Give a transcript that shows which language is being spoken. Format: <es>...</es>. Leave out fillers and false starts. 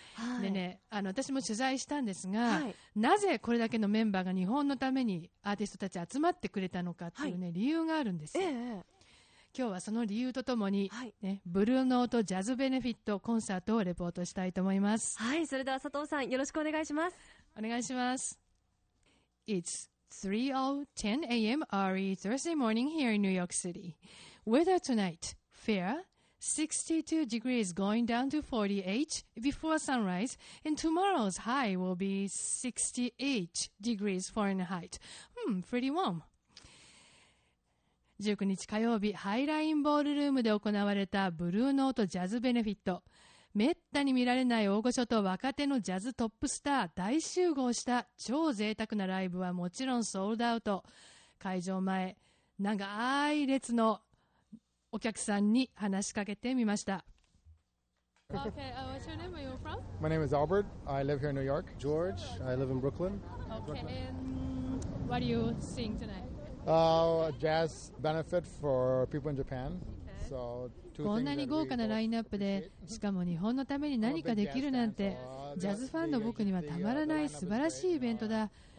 <ja>はい、でね、私も取材したんですが、はい、なぜこれだけのメンバーが日本のためにアーティストたち集まってくれたのかっていうね、はい、理由があるんですよ。今日はその理由とともに、ね、はい、ブルーノートジャズベネフィットコンサートをレポートしたいと思います。はい、それでは佐藤さん、よろしくお願いします。お願いします。</ja> <en>It's 3:10 a.m. early Thursday morning here in New York City. Weather tonight, fair, 62 degrees going down to 48 before sunrise, and tomorrow's high will be 68 degrees Fahrenheit. Pretty warm.</en> <ja>19日火曜日、ハイラインボールルームで行われたブルーノートジャズベネフィット。めったに見られない大御所と若手のジャズトップスター大集合した超贅沢なライブはもちろんソールドアウト。会場前、長い列のお客さんに話しかけてみました。</ja> <en>Okay, what's your name? Where are you from? My name is Albert. I live here in New York. George, I live in Brooklyn. Okay, and what are you seeing tonight? Jazz benefit for people in Japan. So,</en> <ja>こんなに豪華なラインナップで、しかも日本のために何かできるなんて、ジャズファンの僕にはたまらない素晴らしいイベントだ。</ja>